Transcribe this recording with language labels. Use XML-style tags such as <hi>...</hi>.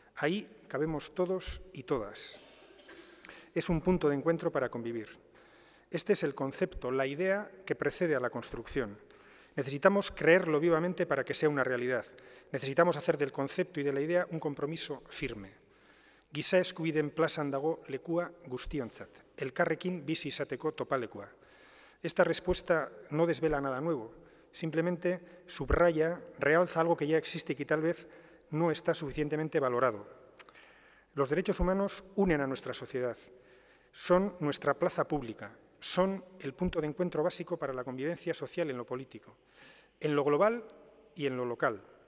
<es>Ahí cabemos todos y todas. Es un punto de encuentro para convivir. Este es el concepto, la idea que precede a la construcción. Necesitamos creerlo vivamente para que sea una realidad. Necesitamos hacer del concepto y de la idea un compromiso firme.</es> <eu>Giza eskubideen plazan dago lekua guztiontzat, elkarrekin bizi izateko topalekua.</eu> <es>Esta respuesta no desvela nada nuevo, simplemente subraya, realza algo que ya existe y que tal vez no está suficientemente valorado. Los derechos humanos unen a nuestra sociedad, son nuestra plaza pública, son el punto de encuentro básico para la convivencia social en lo político, en lo global y en lo local.</es>